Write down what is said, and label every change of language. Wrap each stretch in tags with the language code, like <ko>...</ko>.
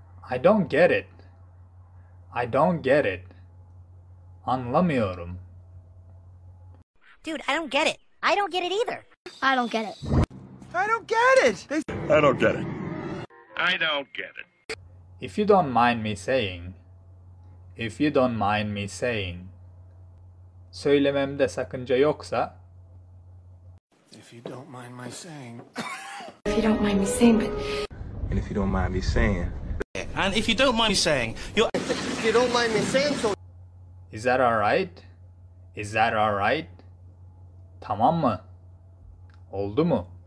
<en>I don't get it. I don't get it.</en> <tr>Anlamıyorum.</tr> <en>Dude, I don't get it. I don't get it either. I don't get it. I don't get it. I don't get it. I don't get it. If you don't mind me saying. If you don't mind me saying.</en> <tr>Söylememde sakınca yoksa.</tr> <en>If you don't mind my saying. If you don't mind me saying, but. And if you don't mind me saying. And if you don't mind me saying, you're. If you don't mind me saying, so. Is that alright? Is that alright?</en> <tr>Tamam mı? Oldu mu?</tr>